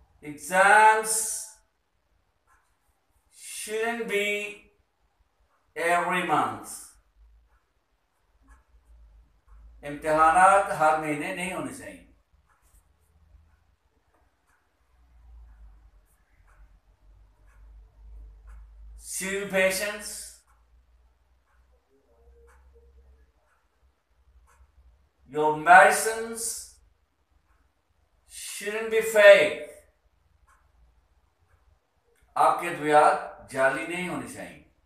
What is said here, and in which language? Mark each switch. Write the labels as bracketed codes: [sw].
[en] exams shouldn't be every month [hi] इम्तिहानात हर महीने नहीं होने चाहिए [en] Two patients. Your medicines shouldn't be fake. [hi] आपके दवाइयां जाली नहीं होनी चाहिए.